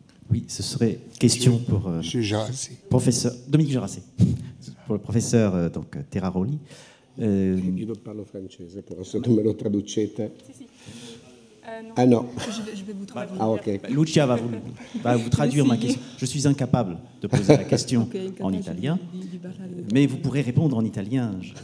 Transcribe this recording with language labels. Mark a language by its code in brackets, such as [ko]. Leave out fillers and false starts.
[fr] Oui, ce serait question pour professeur Dominique Gerassé, pour le professeur Terraroli. [it] Io non parlo francese, però se non me lo traducete... [fr] Non. Je vais vous traduire. Ah, okay. Lucia va vous traduire ma question. Je suis incapable de poser la question en italien, mais vous pourrez répondre en italien.